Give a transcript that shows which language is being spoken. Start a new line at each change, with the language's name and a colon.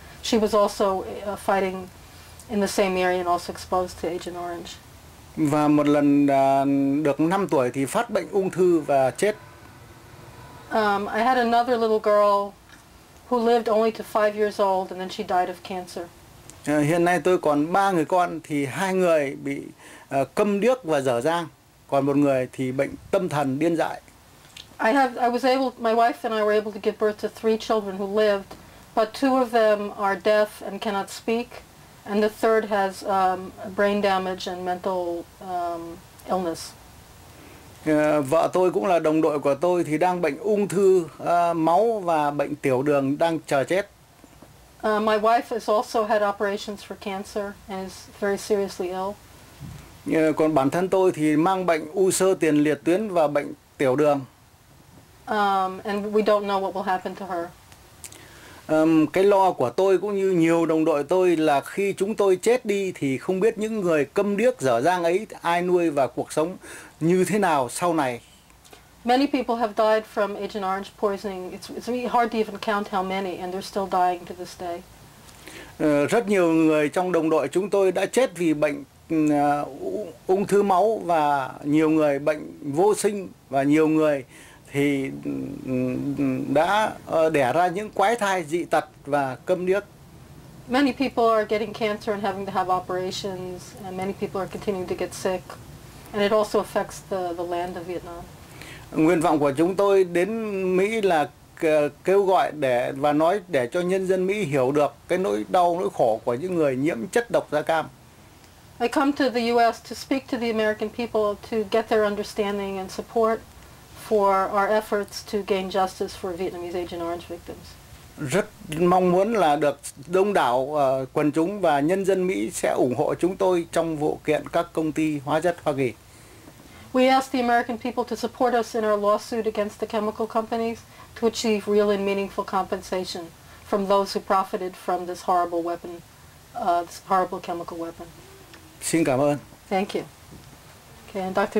English: She was also fighting in the same area and also exposed to Agent Orange.
Vietnamese: Và một lần được 5 tuổi thì phát bệnh ung thư và chết.
English: I had another little girl who lived only to 5 years old and then she died of cancer.
Vietnamese: Hiện nay tôi còn 3 người con thì 2 người bị câm điếc và dở dang, còn một người thì bệnh tâm thần điên dại.
English: My wife and I were able to give birth to 3 children who lived, but 2 of them are deaf and cannot speak. And the third has brain damage and mental illness.
Vietnamese: Vợ tôi cũng là đồng đội của tôi thì đang bệnh ung thư máu và bệnh tiểu đường đang chờ chết.
English: My wife has also had operations for cancer and is very seriously ill.
Vietnamese: Còn bản thân tôi thì mang bệnh u xơ tiền liệt tuyến và bệnh tiểu đường.
English: And we don't know what will happen to her.
Vietnamese: Cái lo của tôi cũng như nhiều đồng đội tôi là khi chúng tôi chết đi thì không biết những người câm điếc dở dang ấy ai nuôi và cuộc sống như thế nào sau này.
English: Many people have died from Agent Orange poisoning. It's really hard to even count how many, and they're still dying to this day.
Vietnamese: Rất nhiều người trong đồng đội chúng tôi đã chết vì bệnh ung thư máu, và nhiều người bệnh vô sinh, và nhiều người thì đã đẻ ra những quái thai dị tật và câm điếc.
English: Many people are getting cancer and having to have operations, and many people are continuing to get sick, and it also affects the land of Vietnam.
Vietnamese: Nguyện vọng của chúng tôi đến Mỹ là kêu gọi để và nói để cho nhân dân Mỹ hiểu được cái nỗi đau, nỗi khổ của những người nhiễm chất độc da cam.
English: I come to the US to speak to the American people to get their understanding and support for our efforts to gain justice for Vietnamese Agent Orange victims.
Vietnamese: Rất mong muốn là được đông đảo quần chúng và nhân dân Mỹ sẽ ủng hộ chúng tôi trong vụ kiện các công ty hóa chất Hoa Kỳ.
English: We ask the American people to support us in our lawsuit against the chemical companies to achieve real and meaningful compensation from those who profited from this horrible weapon, this horrible chemical weapon.
Vietnamese: Xin cảm ơn.
English: Thank you. Okay, and Dr.